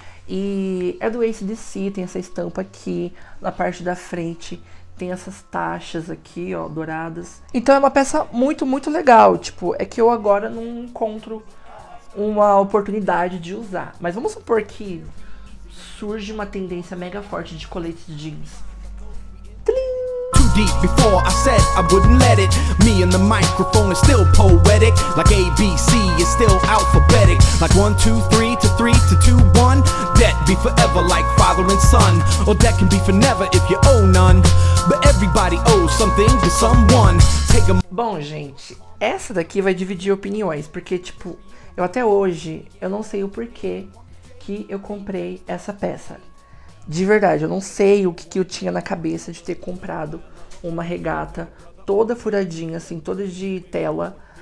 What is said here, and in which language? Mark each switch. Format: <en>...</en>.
<pt>E é do AC/DC, tem essa estampa aqui na parte da frente. Tem essas taxas aqui, ó, douradas. Então é uma peça muito, muito legal. Tipo, é que eu agora não encontro uma oportunidade de usar. Mas vamos supor que surge uma tendência mega forte de coletes de jeans.</pt> <en>Deep before I said I wouldn't let it. Me and the microphone is still poetic. Like ABC is still alphabetic. Like 1, 2, 3 to 3 to 2, 1. That be forever like father and son. Or that can be for never if you owe none. But everybody owes something to someone. Take a...</en> <pt>Bom, gente, essa daqui vai dividir opiniões. Porque, tipo, eu até hoje, eu não sei o porquê que eu comprei essa peça. De verdade, eu não sei o que eu tinha na cabeça de ter comprado uma regata toda furadinha, assim, toda de tela.</pt>